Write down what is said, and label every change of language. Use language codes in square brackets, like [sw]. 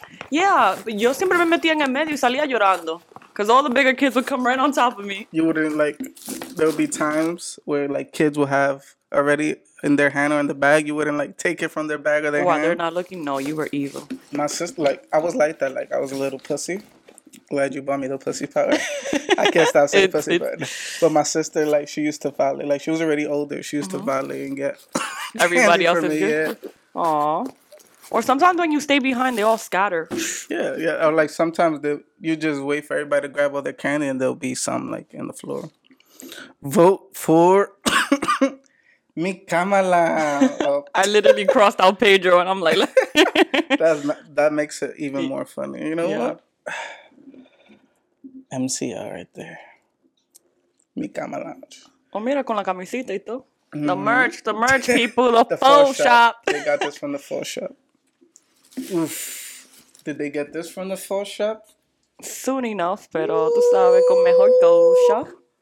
[es] Yeah, yo siempre me metía en el medio y salía llorando. [en] Because all the bigger kids would come right on top of me. You wouldn't, like, there would be times where, like, kids will have already in their hand or in the bag. You wouldn't, like, take it from their bag or their hand. While they're not looking? No, you were evil. My sister, like, I was like that. Like, I was a little pussy. Glad you bought me the pussy power. I can't stop saying pussy power. But my sister, like, she used to valet. Like, she was already older. She used to valet and get everybody else is good. Aw. Or sometimes when you stay behind, they all scatter. Yeah. Or like sometimes you just wait for everybody to grab all their candy and there'll be some like in the floor. Vote for mi Kamala. Oh. I literally crossed out Pedro and I'm like. That makes it even more funny. You know what? MCR right there. Mi Kamala. [es] Oh, mira con la camisita y todo. [en] The merch, people, the full shop. They got this from the full shop. Oof. Did they get this from the fall shop? Soon enough, [es] pero tú sabes, con mejor cosa.